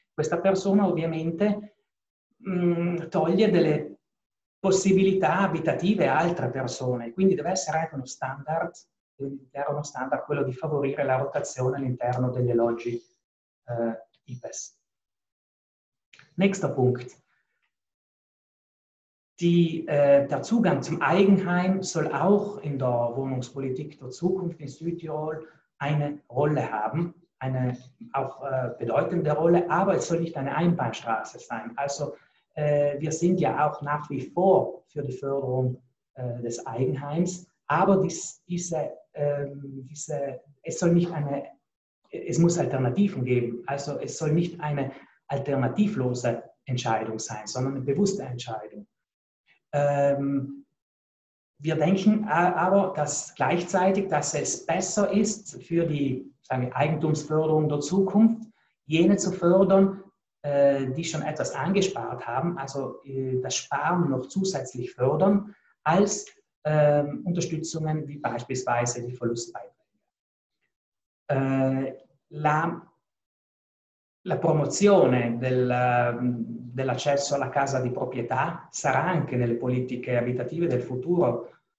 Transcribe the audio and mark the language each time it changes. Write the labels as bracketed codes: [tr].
[it] Questa persona ovviamente toglie delle possibilità abitative a altre persone, quindi deve essere anche uno standard, quello di favorire la rotazione all'interno degli alloggi IPES. [de] Nächster Punkt. Der Zugang zum Eigenheim soll auch in der Wohnungspolitik der Zukunft in Südtirol eine Rolle haben, eine auch bedeutende Rolle, aber es soll nicht eine Einbahnstraße sein. Also wir sind ja auch nach wie vor für die Förderung des Eigenheims, aber es muss Alternativen geben. Also es soll nicht eine alternativlose Entscheidung sein, sondern eine bewusste Entscheidung. Wir denken aber, dass gleichzeitig, dass es besser ist für die Eigentumsförderung der Zukunft, jene zu fördern, die schon etwas angespart haben, also das Sparen noch zusätzlich fördern, als Unterstützungen wie beispielsweise die Verlustbeiträge. [it] La promozione dell'accesso alla casa di proprietà sarà anche nelle politiche abitative del futuro.